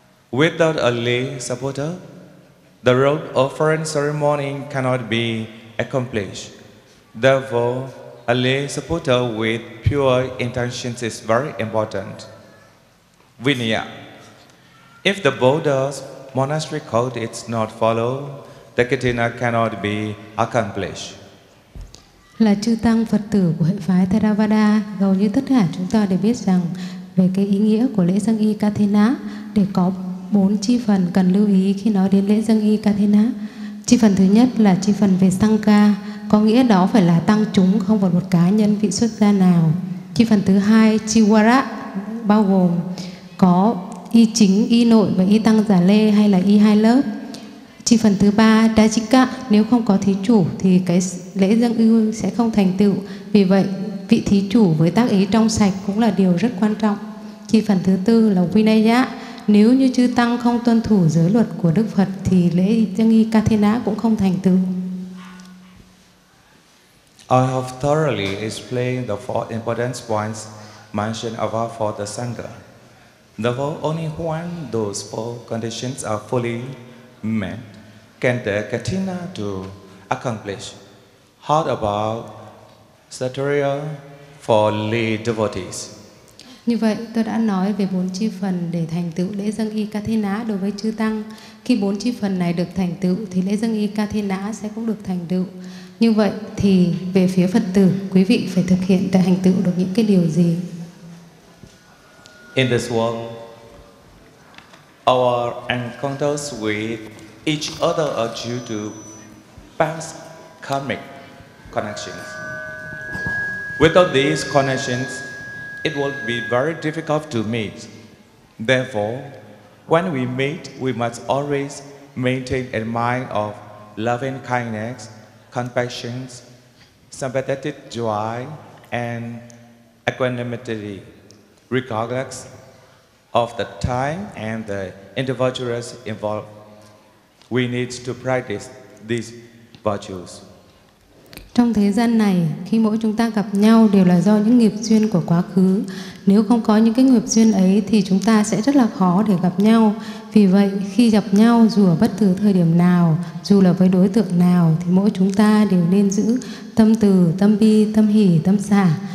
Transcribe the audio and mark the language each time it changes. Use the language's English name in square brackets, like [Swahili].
[English] Without a lay supporter, the robe offering ceremony cannot be accomplished. Therefore, a lay supporter with pure intentions is very important. Vinaya. If the Buddha's monastery code is not followed, the katina cannot be accomplished. [Vietnamese] Là chư tăng Phật tử của hệ phái Theravada, hầu như tất cả chúng ta đều biết rằng về cái ý nghĩa của lễ dâng y Catena, để có 4 chi phần cần lưu ý khi nói đến lễ dâng y Catena. Chi phần thứ nhất là chi phần về Sangha, có nghĩa đó phải là tăng chúng, không phải một cá nhân vị xuất gia nào. Chi phần thứ hai, Chiwara, bao gồm có y chính, y nội và y tăng giả lê hay là y hai lớp. Chi phần thứ ba, Dajika, nếu không có thí chủ thì cái lễ dâng y sẽ không thành tựu. Vì vậy, vị thí chủ với tác ý trong sạch cũng là điều rất quan trọng. Chi phần thứ tư là Vinaya, nếu như chư tăng không tuân thủ giới luật của Đức Phật thì lễ dâng y Catena cũng không thành tựu. [English] I have thoroughly explained the four important points mentioned above for the Sangha. Therefore, only when those four conditions are fully met can the Katina to accomplish. How about Satoria for lay devotees? [Vietnamese] Như vậy, tôi đã nói về bốn chi phần để thành tựu lễ dâng y ca thi ná đối với chư tăng. Khi bốn chi phần này được thành tựu thì lễ dâng y ca thi ná sẽ cũng được thành tựu. Như vậy thì về phía Phật tử, quý vị phải thực hiện để thành tựu được những cái điều gì? [English] In this world, our encounters with each other are due to past karmic connections. Without these connections, it will be very difficult to meet. Therefore, when we meet, we must always maintain a mind of loving kindness, compassion, sympathetic joy, and equanimity, regardless of the time and the individuals involved. We need to practice these virtues. [Vietnamese] Trong thế gian này, khi mỗi chúng ta gặp nhau đều là do những nghiệp duyên của quá khứ. Nếu không có những cái nghiệp duyên ấy thì chúng ta sẽ rất là khó để gặp nhau. Vì vậy, khi gặp nhau dù ở bất cứ thời điểm nào, dù là với đối tượng nào thì mỗi chúng ta đều nên giữ tâm từ, tâm bi, tâm hỷ, tâm xả.